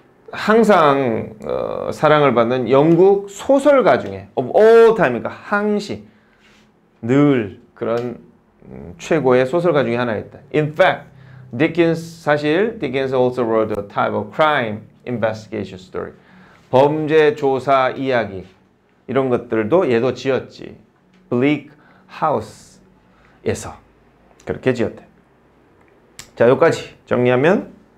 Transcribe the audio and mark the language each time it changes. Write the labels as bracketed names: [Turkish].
[Korean] 항상 사랑을 받는 영국 소설가 중에 [English] of all time, [Korean] 그러니까 항시 늘 그런 최고의 소설가 중에 하나였다. [English] In fact, Dickens also wrote a type of crime investigation story. [Korean] 범죄 조사 이야기 이런 것들도 얘도 지었지. Bleak House에서 그렇게 지었대. 자, 여기까지 정리하면.